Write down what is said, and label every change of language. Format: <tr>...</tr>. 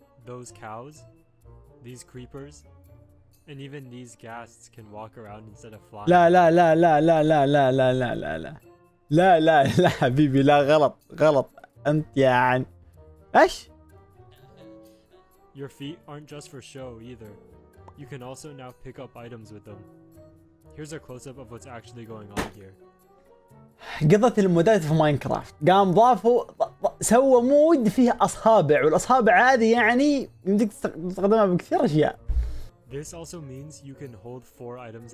<en>Those cows, these creepers, and even these ghasts can walk around instead of flying.</en> <ar>لا لا لا لا لا لا لا لا لا لا لا لا لا لا حبيبي لا غلط غلط انت يعني ايش؟</ar> <en>Your feet aren't just for show either. You can also now pick up items with them. Here's a close up of what's actually going on here.</en> <ar>قضت المودات في ماينكرافت، قام ضافوا سوى مود فيه اصابع، والاصابع هذه يعني يمديك تستخدمها بكثير اشياء.</ar> <en>This also means you can hold four items.</en>